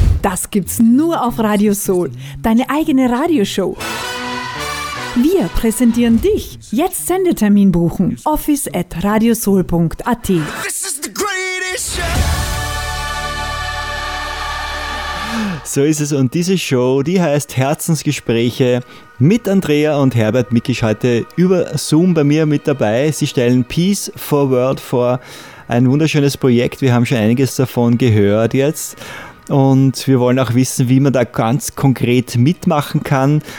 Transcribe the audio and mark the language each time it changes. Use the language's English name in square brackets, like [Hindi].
[German] Das gibt's nur auf Radio Soul. Deine eigene Radioshow. Wir präsentieren dich. Jetzt Sendetermin buchen. office@radiosoul.at. [English] This is the greatest show. [German] So ist es. Und diese Show, die heißt Herzensgespräche mit Andrea und Herbert Mikisch, heute über Zoom bei mir mit dabei. Sie stellen Peace for World vor. Ein wunderschönes Projekt. Wir haben schon einiges davon gehört jetzt. Und wir wollen auch wissen, wie man da ganz konkret mitmachen kann.